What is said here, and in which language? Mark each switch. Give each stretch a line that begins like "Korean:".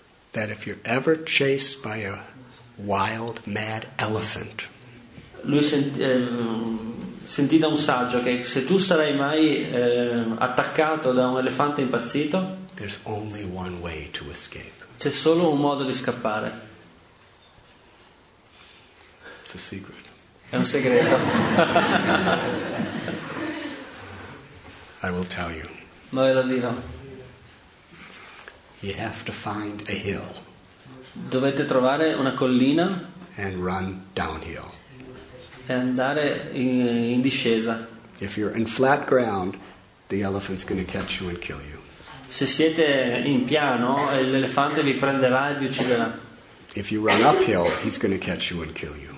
English: that if you're ever chased by a wild mad elephant,
Italian: lui sentì da un saggio che se tu sarai mai attaccato da un elefante impazzito,
English: there's only one way to escape.
Italian: C'è solo un modo di scappare.
English: It's a secret.
Italian: È un segreto.
English: I will tell you.
Italian: Ma ve lo dirò.
English: You have to find a hill.
Italian: Dovete trovare una collina.
English: And run downhill.
Italian: E andare in discesa.
English: If you're in flat ground, the elephant's going to catch you and kill you.
Italian: Se siete in piano, l'elefante vi prenderà e vi ucciderà.
English: If you run uphill, he's going to catch you and kill you.